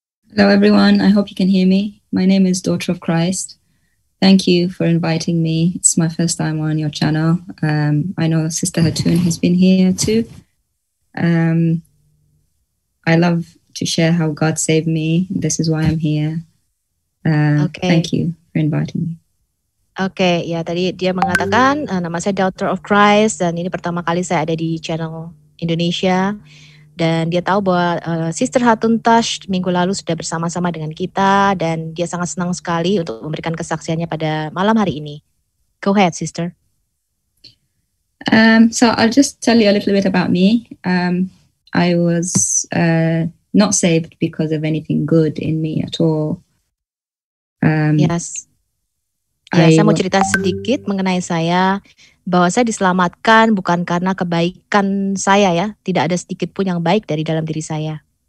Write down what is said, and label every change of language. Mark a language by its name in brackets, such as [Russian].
[English] Hello, everyone. I hope you can hear me. My name is Daughter of Christ. Thank you for inviting me. It's my first time on your channel. I know Sister Hatun has been here too. I love to share how God saved me. This is why I'm here. Okay. Thank you for inviting me. [Indonesian] Oke, okay, ya tadi dia mengatakan nama saya Daughter of Christ dan ini pertama kali saya ada di channel Indonesia. Dan dia tahu bahwa Sister Hatun Tash minggu lalu sudah bersama-sama dengan kita dan dia sangat senang sekali untuk memberikan kesaksiannya pada malam hari ini. [English] Go ahead, Sister. So I'll just tell you a little bit about me. I was not saved because of anything good in me at all. Yes. [Indonesian] Ya, saya mau cerita sedikit mengenai saya, bahwa saya diselamatkan bukan karena kebaikan saya ya, tidak ada sedikit pun yang baik dari dalam diri saya.